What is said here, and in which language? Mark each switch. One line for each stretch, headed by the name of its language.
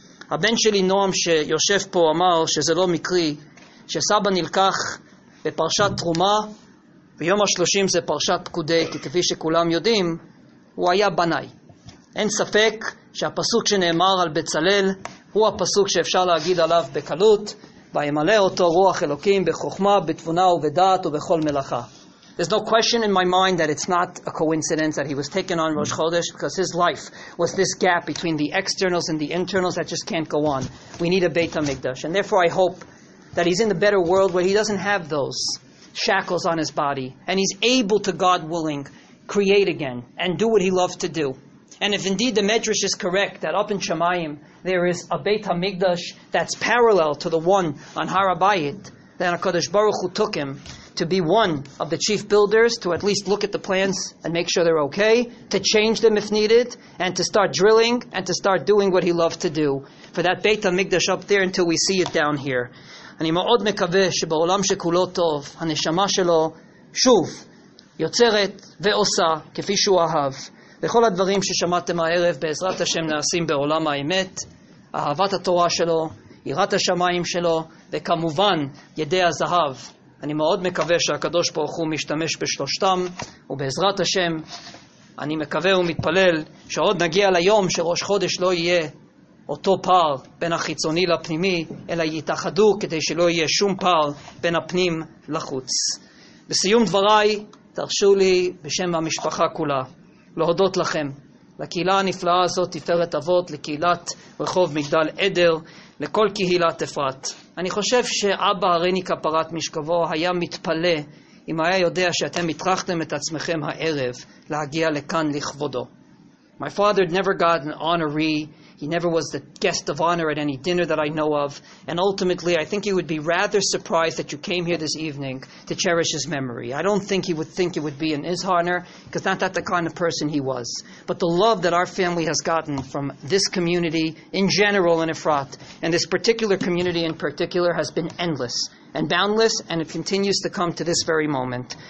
Hebrew: הבן שלי נועם שיושב פה אמר שזה לא מקרי, שסבא נלקח בפרשת תרומה, ביום ה-30 זה פרשת פקודי, כי כפי שכולם יודעים, הוא היה בנאי. אין ספק שהפסוק שנאמר על בצלל, הוא הפסוק שאפשר להגיד עליו בקלות, וימלא אותו רוח אלוקים בחוכמה, בתבונה ובדעת ובכל מלאכה.
English: There's no question in my mind that it's not a coincidence that he was taken on Rosh Chodesh, because his life was this gap between the externals and the internals that just can't go on. We need a Beit HaMikdash. And therefore I hope that he's in the better world where he doesn't have those shackles on his body, and he's able to, God willing, create again and do what he loved to do. And if indeed the Medrash is correct that up in Shemayim there is a Beit HaMikdash that's parallel to the one on Har HaBayit, then HaKadosh Baruch Hu took him to be one of the chief builders, to at least look at the plans and make sure they're okay, to change them if needed, and to start drilling and to start doing what he loved to do for that Beit HaMikdash up there until we see it down here.
Hebrew: אני מאוד מקווה שבעולם שכולו טוב הנשמה שלו שוב יוצרת ועושה כפי שהוא אהב. וכל הדברים ששמעתם הערב בעזרת השם נעשים בעולם האמת, אהבת התורה שלו, יראת השמיים שלו, וכמובן ידי הזהב. אני מאוד מקווה שהקדוש ברוך הוא משתמש בשלושתם, ובעזרת השם אני מקווה ומתפלל שעוד נגיע ליום שראש חודש לא יהיה אותו פער בין החיצוני לפנימי, אלא יתאחדו כדי שלא יהיה שום פער בין הפנים לחוץ. בסיום דבריי, תרשו לי בשם המשפחה כולה להודות לכם, לקהילה הנפלאה הזאת תפארת אבות, לקהילת רחוב מגדל עדר, לכל קהילת אפרת. אני חושב שאבא הריני כפרת משכבו היה מתפלא אם היה יודע שאתם התרחתם את עצמכם הערב להגיע לכאן לכבודו.
English: My father never got an honoree. He never was the guest of honor at any dinner that I know of. And ultimately, I think he would be rather surprised that you came here this evening to cherish his memory. I don't think he would think it would be an ishonor, because not that the kind of person he was. But the love that our family has gotten from this community in general in Efrat, and this particular community in particular, has been endless and boundless, and it continues to come to this very moment.